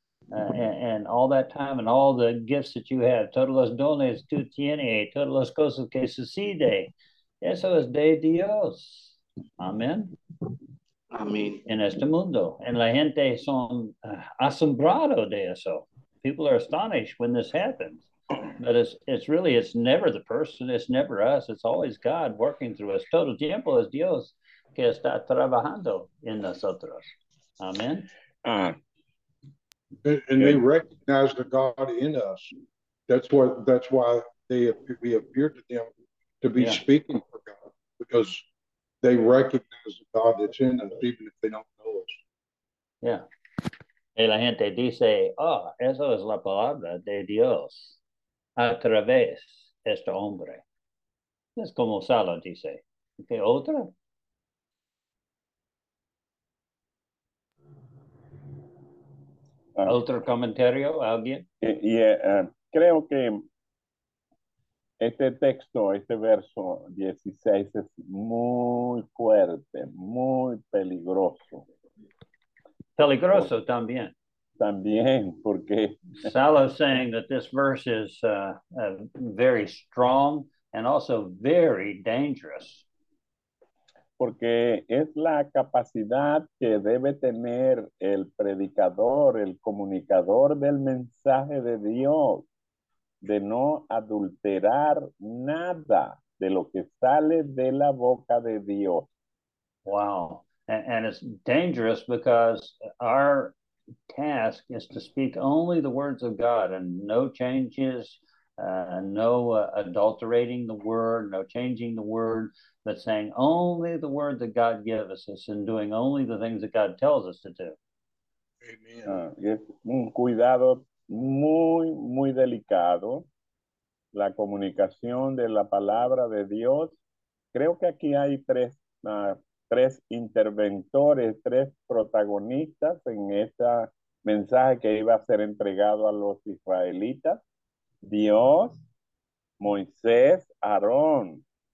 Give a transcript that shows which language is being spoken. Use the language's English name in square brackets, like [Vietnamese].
[English] And all that time and all the gifts that you have, [Spanish] todos los dones tú tienes, todas las cosas que sucede, eso es de Dios. Amén. Amén. En este mundo. And la gente son asombrado de eso. [English] People are astonished when this happens. But it's never the person, it's never us, it's always God working through us. [Spanish] Todo tiempo es Dios que está trabajando en nosotros. [English] Amen. And they recognize the God in us. That's why we appear to them to be speaking for God, because they recognize the God that's in us, even if they don't know us. Yeah. [Spanish] Y la gente dice, oh, eso es la palabra de Dios. A través de este hombre. Es como Salo dice. ¿Qué otra? ¿Otro comentario? ¿Alguien? Creo que este texto, este verso 16 es muy fuerte, muy peligroso. Peligroso también. También, porque... [English] Salo is saying that this verse is very strong and also very dangerous. [Spanish] Porque es la capacidad que debe tener el predicador, el comunicador del mensaje de Dios, de no adulterar nada de lo que sale de la boca de Dios. [English] Wow. And it's dangerous because our task is to speak only the words of God and no changes, adulterating the word, no changing the word, but saying only the word that God gives us and doing only the things that God tells us to do. Amen. [Spanish] Es un cuidado muy, muy delicado. La comunicación de la palabra de Dios. Creo que aquí hay tres interventores, tres protagonistas en esta mensaje que iba a ser entregado a los israelitas: Dios, Moisés, Aarón.